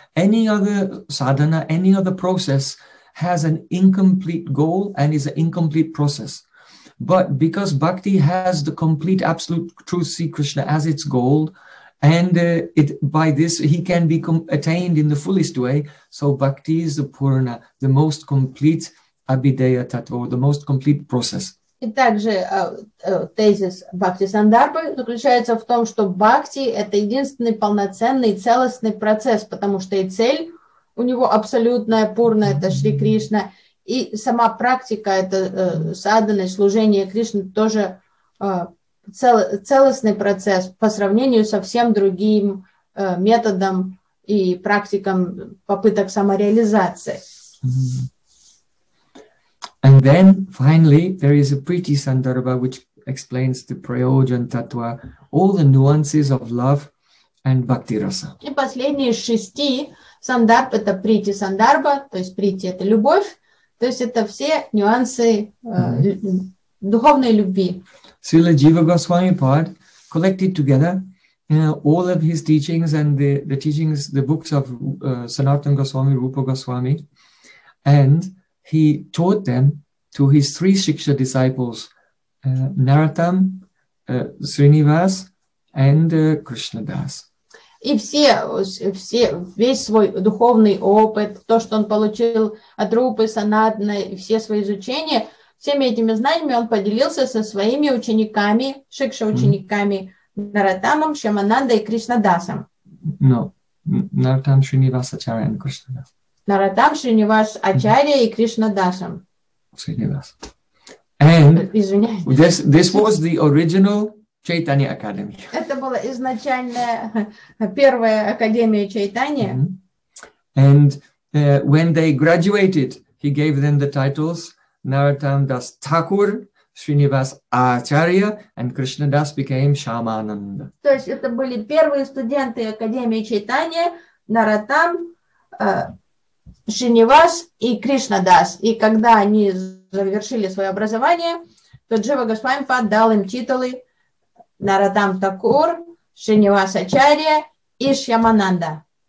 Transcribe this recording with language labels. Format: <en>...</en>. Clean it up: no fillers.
<en>Any other sadhana, any other process has an incomplete goal and is an incomplete process. But because Bhakti has the complete absolute truth, Sri Krishna, as its goal, and it by this he can be attained in the fullest way, so Bhakti is the Purana, the most complete Abhideya Tattva, the most complete process.</en> <ru>И также тезис Bhakti Sandarbha заключается в том, что Bhakti – это единственный полноценный, целостный процесс, потому что и цель – у него абсолютная пурна, это Шри Кришна. И сама практика, это садхана, служение Кришне, тоже целостный процесс по сравнению со всем другим методом и практикам попыток самореализации.</ru> <en>And then, finally, there is a Priti Sandarbha, which explains the Prayojan Tattva, all the nuances of love and Bhakti Rasa.</en> <ru>И последние шести Сандарб – это прити сандарба, то есть прити – это любовь, то есть это все нюансы духовной любви.</ru> <en>Srila Jiva Goswamipad collected together all of his teachings and the teachings, the books of Sanatana Goswami, Rupa Goswami, and he taught them to his three Shiksha disciples, Naratam, Srinivas, and Krishnadas.</en> <ru>И весь свой духовный опыт, то, что он получил от Рупы Санатны, все свои изучения, всеми этими знаниями он поделился со своими учениками, шикша учениками Наратамом, Шаманандой и Кришнадасом. Но Наратам Шринивас Ачарья и Кришнадас. Наратам Шринивас Ачарья и Кришнадасом.</ru> <en>Шринивас. And this was the original Chaitanya Academy.</en> <ru>Это была изначальная первая академия Чайтанья.</ru> <en>And when they graduated, he gave them the titles Narottam Das Thakur, Srinivas Acharya, and Krishnadas became Shamananda.</en> <ru>То есть это были первые студенты Академии Чайтанья, Наратам, Шринивас и Кришнадас. И когда они завершили свое образование, то Джива Госвами дал им титулы Наратам Такур, Шринивас Ачарья и Шамананда.</ru>